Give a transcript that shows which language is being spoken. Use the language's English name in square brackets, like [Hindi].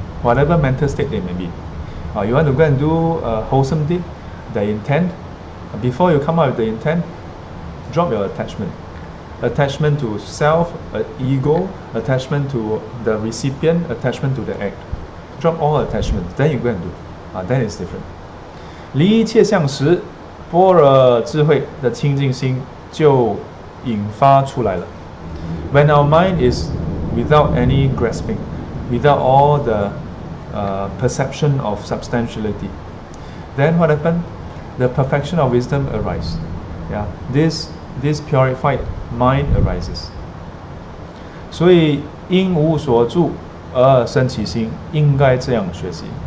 [English] Whatever mental state they may be. You want to go and do a wholesome deed, the intent. Before you come out with the intent,Drop your attachment. Attachment to self, ego, attachment to the recipient, attachment to the act. Drop all attachments. Then you go and do. Then it's different. [Chinese] 离一切相时，般若智慧的清净心就引发出来了。 [English] When our mind is without any grasping, without all the perception of substantiality, then what happened? The perfection of wisdom arises. Yeah, this purified mind arises. [Chinese] 所以应无所住而生其心，应该这样学习。